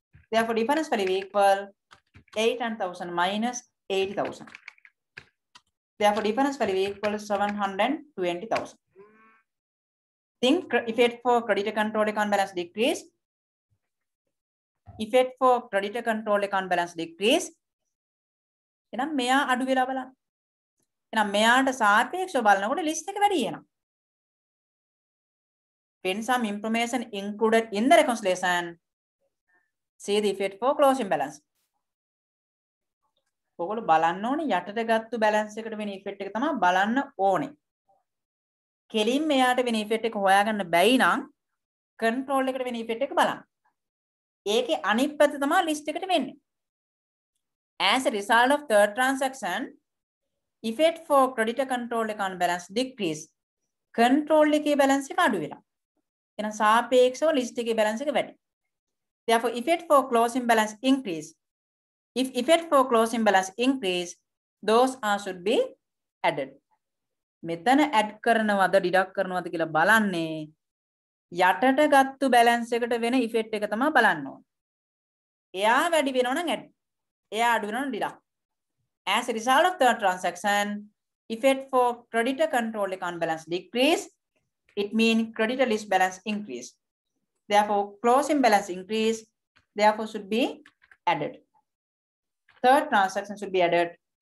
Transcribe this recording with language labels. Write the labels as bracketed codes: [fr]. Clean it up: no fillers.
[en] Therefore, difference value equal 800,000 minus 80,000. Therefore, difference value equal 720,000. Think effect for creditor control account balance decrease. Effect for creditor control account balance decrease. [si] Ena meya adu vela bala. එනම් මෙයාට සාපේක්ෂව බලනකොට list එක වැඩි වෙනවා. [en] Pin some information included in the reconciliation. See the effect for closing balance. [si] ඔගොල්ලෝ බලන්න ඕනේ යටට ගත්ත බැලන්ස් එකට වෙන ඉෆෙක්ට් එක තමයි බලන්න ඕනේ. කෙලින්ම යාට වෙන ඉෆෙක්ට් එක හොයාගන්න බැයි නම් කන්ට්‍රෝල් එකට වෙන ඉෆෙක්ට් එක බලන්න. ඒකේ අනිත් පැත්ත තමයි ලිස්ට් එකට වෙන්නේ. [en] As a result of third transaction effect for creditor control account balance decrease. [si] Control එකේ බැලන්ස් එක අඩු වෙනවා. එහෙනම් සාපේක්ෂව ලිස්ට් එකේ බැලන්ස් එක වැඩි. [en] Therefore effect for closing balance increase. If effect for closing balance increase, those are should be added. [si] මෙතන add කරනවද deduct කරනවද කියලා බලන්නේ යටට ගත්ත balance එකට වෙන effect එක තමයි බලන්න ඕනේ. එයා වැඩි වෙනව නම් add. එයා අඩු වෙනව නම් deduct. [en] As a result of the transaction, effect for creditor control account balance decrease. It means creditor list balance increase. Therefore, closing balance increase. Therefore, should be added. Third transaction should be added.